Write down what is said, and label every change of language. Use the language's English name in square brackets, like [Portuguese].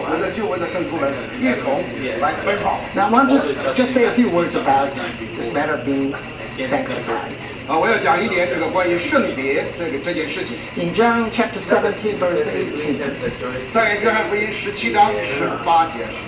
[Chinese] 活着救恩的圣徒们一同来奔跑。 [English] Now, I want to just say a few words about this matter of being sanctified. [Chinese] 我要讲一点这个关于圣别这件事情。 [English] In John chapter 17, verse 18. [Chinese] 在约翰福音十七章十八节。